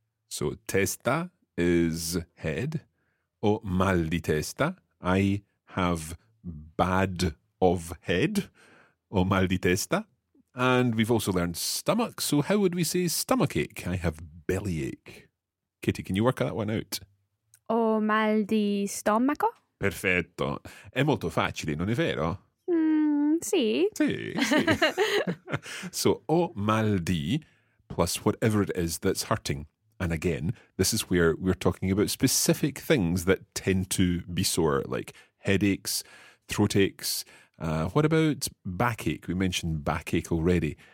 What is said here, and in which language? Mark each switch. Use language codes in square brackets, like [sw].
[en] So testa is head. [it] Ho mal di testa. [en] I have bad of head. [it] Ho mal di testa. [en] And we've also learned stomach, so how would we say stomachache? I have bellyache. Katie, can you work that one out? [it] Ho mal di stomaco. Perfetto. È molto facile, non è vero? Sì. Sì, sì. [en] So, [it] ho mal di [en] plus whatever it is that's hurting. And again, this is where we're talking about specific things that tend to be sore, like headaches, throat aches. What about backache? We mentioned backache already.